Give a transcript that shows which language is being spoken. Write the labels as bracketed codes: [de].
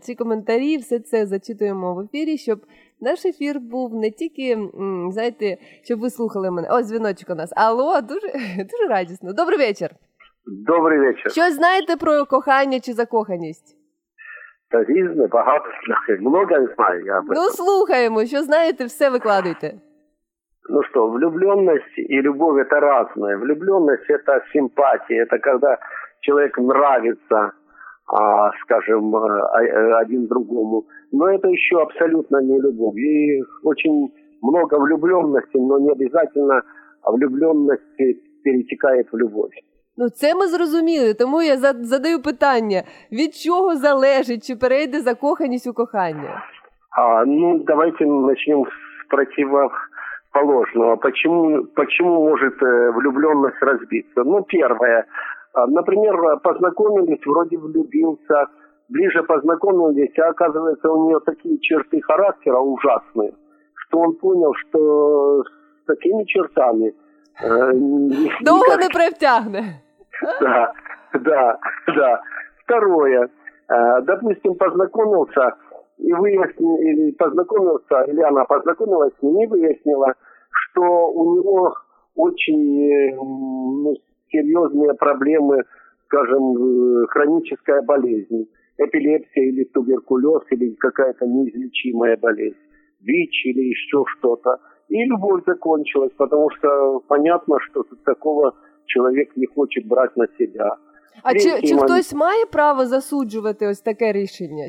[uk] Ці коментарі, все це зачитуємо в ефірі, щоб наш ефір був не тільки, знаєте, щоб ви слухали мене. О, дзвіночок у нас. Алло, дуже радісно. Добрий вечір. Добрий вечір. Що знаєте про кохання чи закоханість? Та різне, багато знаю. [ru] Много знаю. [uk] Я ну, слухаємо, що знаєте, все викладуйте. [ru] Ну что, влюбленность и любовь – это разное. Влюбленность – это симпатия, это когда человек нравится, скажем, один другому. Но это еще абсолютно не любовь. И очень много влюбленности, но не обязательно влюбленность перетекает в любовь. [uk] Ну, це ми зрозуміли, тому я задаю питання. Від чого залежить, чи перейде закоханість у кохання? Ну, давайте почнемо з противоположного. [ru] Почему может влюбленность разбиться? Ну, первое. Например, познакомились, вроде влюбился. Ближе познакомились, а оказывается, у нее такие черты характера ужасные, что он понял, что с такими чертами... [uk] Долго не протягне. [ru] Да. Второе. Допустим, познакомился, и выяснили, познакомился, или она познакомилась с ним, и выяснила, что у него очень серьезные проблемы, скажем, хроническая болезнь, эпилепсия или туберкулез, или какая-то неизлечимая болезнь, ВИЧ или еще что-то. И любовь закончилась, потому что понятно, что такого человек не хочет брать на себя. [uk] А чи хтось має право засуджувати ось таке рішення?